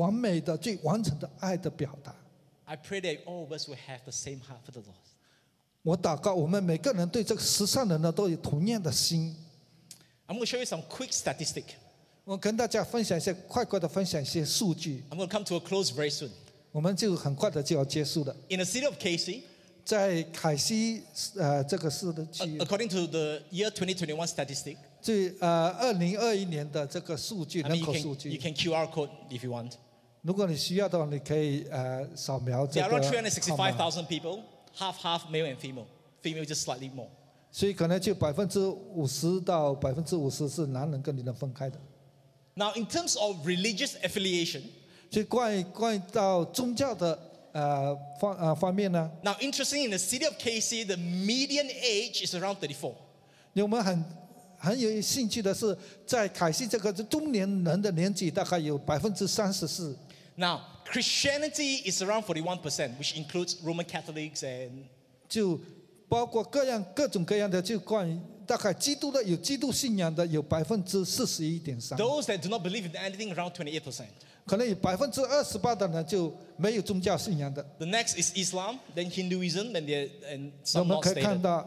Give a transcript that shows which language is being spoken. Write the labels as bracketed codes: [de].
[zh] 耶稣基督是上帝最人的，对世上的人最完美的、最完成的爱的表达。 [en] I pray that all of us will have the same heart for the lost. [zh] 我祷告我们每个人对这个世上的人都有同样的心。 [en] I'm going to show you some quick statistic. [zh] 我跟大家分享一些快速的分享一些数据。 [en] I'm going to come to a close very soon. [zh] 我们就很快的就要结束了。 [en] In the city of Casey. [zh] 在凯西, 这个市的区域, [en] according to the year 2021 statistic. [zh] 2021年的这个数据, [en] I mean, you can QR code if you want. [zh] 如果你需要的话你可以, 扫描这个号码。 [en] There are 365,000 people, half male and female. Female just slightly more. [zh] 所以可能就 50%到50%是男人跟女人分开的。 [en] Now in terms of religious affiliation, [zh] 就关于到宗教的 方面呢? [en] Now interesting, in the city of KC, the median age is around 34. [zh] 我们很有兴趣的是, 在凯西这个中年人的年纪大概有 34%。 [en] Now Christianity is around 41%, which includes Roman Catholics and [zh] 就包括各样各种各样的就关于大概基督的有基督信仰的有 41.3%。 [en] Those that do not believe in anything around 28%。 [zh] 可能有28%的人就没有宗教信仰的。 [en] The next is Islam, then Hinduism, then there and some more stated.